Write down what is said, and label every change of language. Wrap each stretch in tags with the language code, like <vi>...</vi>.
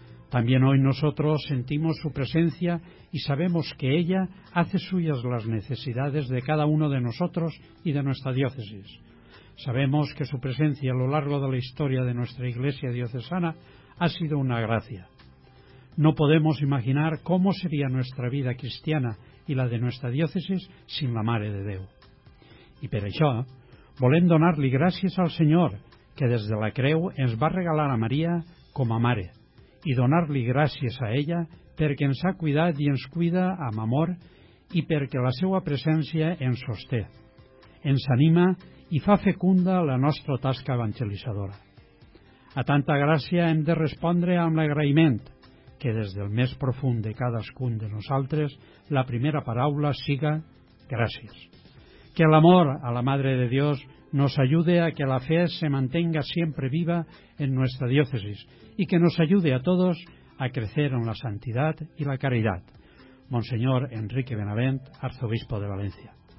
<es>También hoy nosotros sentimos su presencia y sabemos que ella hace suyas las necesidades de cada uno de nosotros y de nuestra diócesis. Sabemos que su presencia a lo largo de la historia de nuestra Iglesia diocesana ha sido una gracia. No podemos imaginar cómo sería nuestra vida cristiana y la de nuestra diócesis sin la Mare de Déu.</es> <ca>Y per això, volem donar-li gràcies al Senyor, que des de la creu ens va regalar a Maria com a mare, i donar-li gràcies a ella perquè ens ha cuidat i ens cuida amb amor i perquè la seva presència ens sosté, ens anima i fa fecunda la nostra tasca evangelitzadora. A tanta gràcia hem de respondre amb l'agraïment, que des del més profund de cadascun de nosaltres la primera paraula siga gràcies.</ca> <es>Que l'amor a la Madre de Dios nos ayude a que la fe se mantenga siempre viva en nuestra diócesis y que nos ayude a todos a crecer en la santidad y la caridad. Monseñor Enrique Benavent, arzobispo de Valencia.</es>